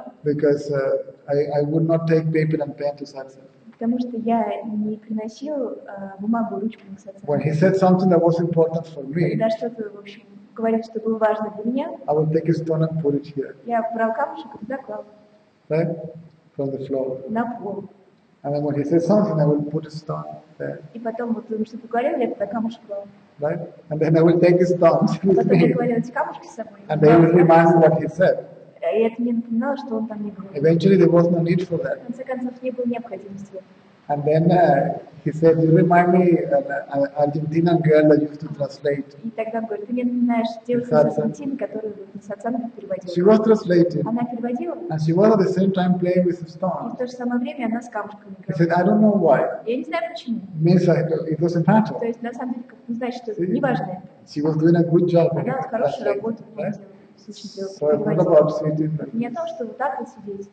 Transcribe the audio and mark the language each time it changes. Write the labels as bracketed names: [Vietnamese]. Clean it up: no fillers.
[English] Because I would not take paper and pen to Sansa. [Russian] Потому что я не приносил бумагу, ручку на сердце. [English] When he said something that was important for me, [Russian] когда что-то, в общем, говорил, что было важно для меня, [English] I would take a stone and put it here. [Russian] Я брал камушек и туда клал. [English] Right? From the floor. [Russian] На пол. [English] And then when he said something, I would put a stone there. [Russian] И потом вот он что-то говорил, я туда камушек клал. [English] Right? And then I would take the stones with me. [Russian] Потом я говорил эти камушки с собой. [English] And they would remind me what he said. [Russian] И это мне напоминало, что он там не был. [English] Eventually there was no need for that. [Russian] В конце концов, не было необходимости. [English] And then he said, you remind me an Argentinian girl that used to translate. [Russian] И тогда он говорит, ты мне напоминаешь девушку из Аргентины, которую с отцом переводила. [English] She was translating. [Russian] Она переводила. [English] And she was at the same time playing with the stones. [Russian] И в то же самое время она с камушками играла. [English] He said, I don't know why. [Russian] Я не знаю почему. [English] Means it doesn't matter. [Russian] То есть на самом деле, как бы, значит, что не важно это. [English] She was doing a good job. [Russian] Она вот хорошую работу делала. [English] So it's not about sitting. [Russian] Не о том, что вот так вот сидеть.